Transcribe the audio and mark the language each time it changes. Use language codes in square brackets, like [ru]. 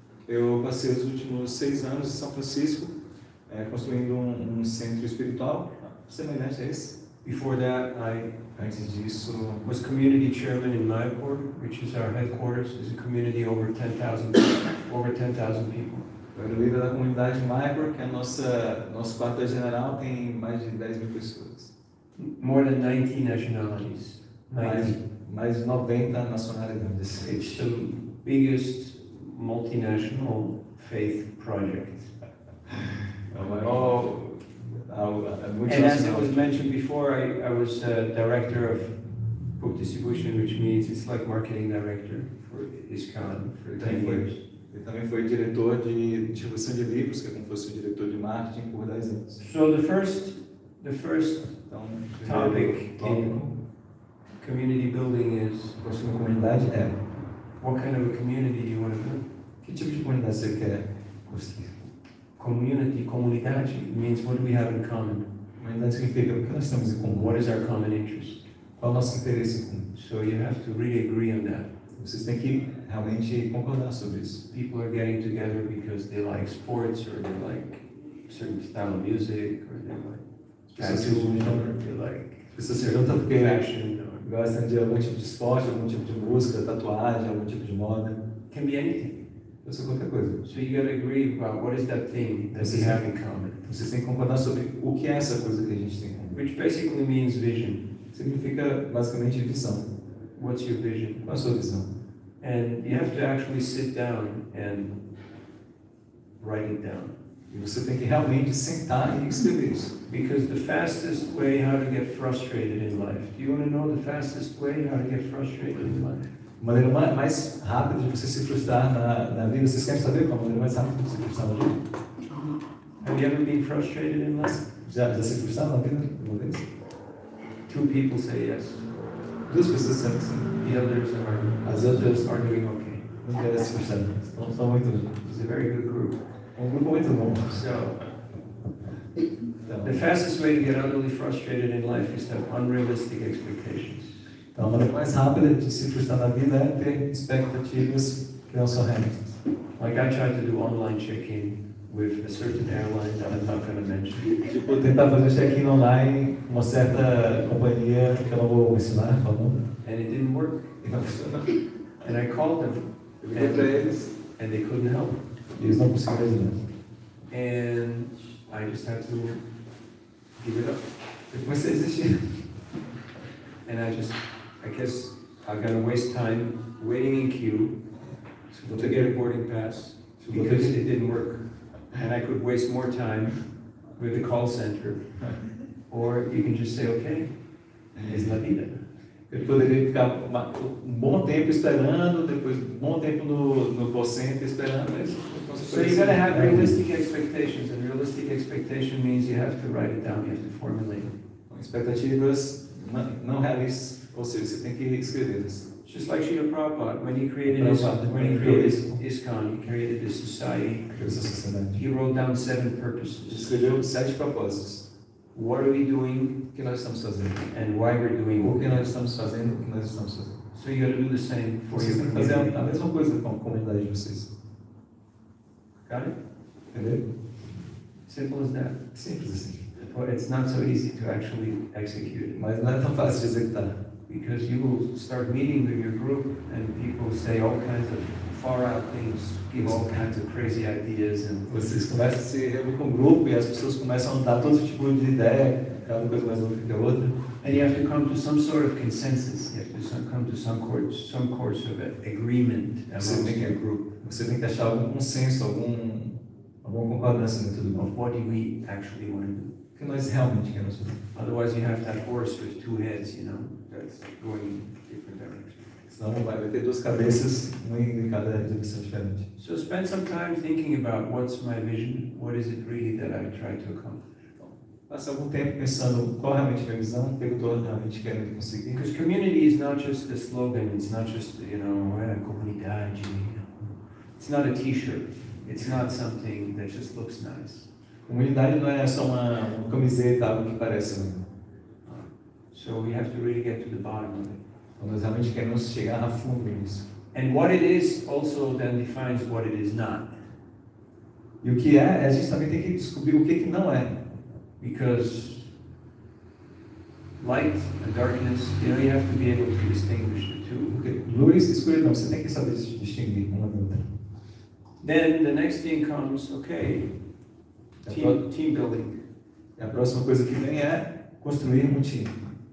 [pt] Eu passei os últimos 6 anos em São Francisco construindo um centro espiritual semelhante a esse. [en] Before that, I [pt] antes disso, [en] was community chairman in Mayapur, which is our headquarters. It's a community over 10,000 people. [pt] Eu era líder da comunidade Mayapur, que é nosso quartel-general, tem mais de 10 mil pessoas. [en] More than 19 nationalities. [pt] Mais de 90 nacionalidades. [en] It's the biggest multinational faith project. And as it was mentioned before, I was a director of book distribution, which means it's like marketing director for ISKCON for 10 years. [pt] Ele também foi diretor de distribuição de livros, que é como se fosse um diretor de marketing por 10 anos. [en] So the first topic in community building is [pt] construir uma comunidade. É. [en] What kind of a community do you want to build? [pt] Que tipo de comunidade você quer construir? [en] Community, comunidade, means what do we have in common? [pt] Comunidade significa o que nós temos em comum. [en] What is our common interest? [pt] Qual é o nosso interesse em comum? [en] So you have to really agree on that. [pt] Vocês têm que realmente concordar sobre isso. [en] People are getting together because they like sports, or they like certain style of music, or they like tattoos, or they like fashion, or [pt] gostam de algum tipo de esporte, algum tipo de música, tatuagem, algum tipo de moda. [en] Can be anything. [pt] Pode ser qualquer coisa. [en] So you gotta agree about what is that thing that we have in common. [pt] Vocês têm que concordar sobre o que é essa coisa que a gente tem. [en] Which basically means vision. [pt] Significa basicamente visão. [en] What's your vision? [pt] Qual a sua visão? [en] And you have to actually sit down and write it down. [pt] E você tem que realmente sentar e escrever isso. [en] Because the fastest way how to get frustrated in life. Do you want to know the fastest way how to get frustrated in life? [pt] A maneira mais rápida de você se frustrar na vida. Vocês querem saber qual a maneira mais rápida de você se frustrar na vida? [en] Have you ever been frustrated in life? [pt] Já se frustrar na vida uma vez? [en] Two people say yes. [pt] Duas pessoas sempre sim. [en] The others are, as others are doing okay. [pt] Não querem se frustrar. Estão muito bem. [en] It's a very good group. [pt] Um grupo muito bom. [en] So, the fastest way to get utterly frustrated in life is to have unrealistic expectations. [pt] Então, a maneira mais rápida de se frustrar na vida é ter expectativas que não são realistas. [en] Like I tried to do online check-in with a certain airline that I'm not going to mention. [pt] Tipo, tentar fazer check-in online com uma certa companhia que eu não vou mencionar, por favor. [en] And it didn't work. [pt] E não funcionou. [en] And I called them. [pt] Eu liguei para eles. [en] And they couldn't help. [pt] E eles não conseguiram ajudar. [en] And I just had to give it up. [pt] Depois você desistiu. [en] And I guess I'm gonna waste time waiting in queue to get a boarding pass because it didn't work. And I could waste more time with the call center. Or you can just say, okay, it's Navina. [pt] Eu poderia ficar um bom tempo esperando, depois um bom tempo no call center esperando, mas... [en] So you gotta have realistic expectations, and realistic expectation means you have to write it down, you have to formulate it. [pt] Expectativas não realistas, ou seja, você tem que escrever isso. [en] Just like Srila Prabhupada, when he created ISKCON, he created this society. He wrote down 7 purposes. [pt] Escreveu 7 propósitos. [en] What are we doing? [pt] O que nós estamos fazendo? [en] And why we're doing [pt] it? O que nós estamos fazendo? O que nós estamos fazendo? [en] So you gotta do the same for your community. [pt] Fazer a mesma coisa com a comunidade de vocês. [en] Got it? [pt] Entendeu? [en] Simple as that. [pt] Simples assim. [en] But it's not so easy to actually execute it. [pt] Mas não é tão fácil de executar. [en] Because you will start meeting with your group and people say all kinds of far out things, give all kinds of crazy ideas and... [pt] Vocês começam a se reunir com o grupo e as pessoas começam a dar todo tipo de ideia, cada coisa mais uma que a outra. [en] And you have to come to some sort of consensus. You have to come to some course of agreement. [pt] Você tem que achar algum consenso, alguma concordância em tudo. [en] Of what do we actually want to do? [pt] Que nós realmente queremos fazer. [en] Otherwise you have that horse with two heads, you know, that's going different directions. [pt] Senão não vai ter duas cabeças, uma em cada direção diferente. [en] So spend some time thinking about what's my vision, what is it really that I try to accomplish. [pt] Passa algum tempo pensando qual realmente é a visão, o que eu estou realmente querendo conseguir. [en] Because community is not just a slogan, it's not just, you know, [pt] a comunidade, [en] you know. It's not a t-shirt, it's not something that just looks nice. [pt] Unidade não é só uma camiseta, algo que parece. [en] So we have to really get to the bottom of it. [pt] Então, nós realmente queremos chegar a fundo nisso. [en] And what it is also then defines what it is not. [pt] E o que é, a gente também tem que descobrir o que que não é. [en] Because light and darkness, you know, you have to be able to distinguish the two. Okay. [pt] Luz e escuridão, você tem que saber distinguir uma da outra. [en] Then the next thing comes, okay, team building. [pt] E a próxima coisa que vem é construir um time.